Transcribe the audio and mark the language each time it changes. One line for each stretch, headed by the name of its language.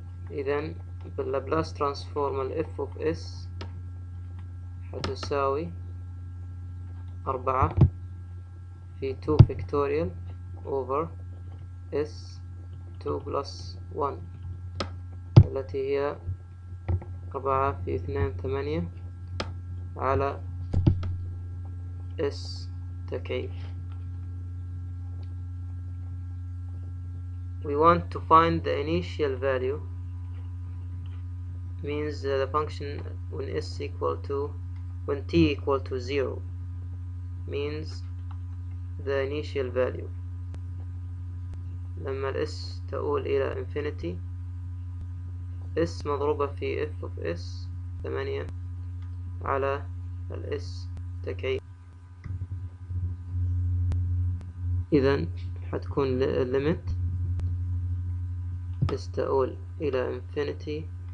Arabic: إذن باللابلاس ترانسفورم ال f of s حتساوي 4 في 2 فكتوريال
English: over s 2 plus 1،
Arabic: التي هي 4 × 2 = 8 على S تكعيب.
English: We want to find the initial value means the function when S equal to when T equal to 0 means the initial value.
Arabic: لما S تؤول إلى infinity S مضروبة في f of s 8 على ال s تكعيب، إذا حتكون limit s تؤول إلى infinity